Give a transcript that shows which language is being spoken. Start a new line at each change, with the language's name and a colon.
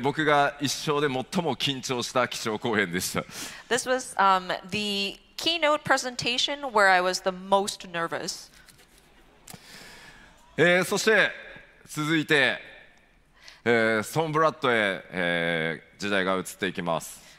Japanese: 僕が一生で最も緊張した基調講演でした。
English: This was the keynote presentation where I was the most nervous.
Japanese: そして続いて ソンブラッドへ時代が移っていきます。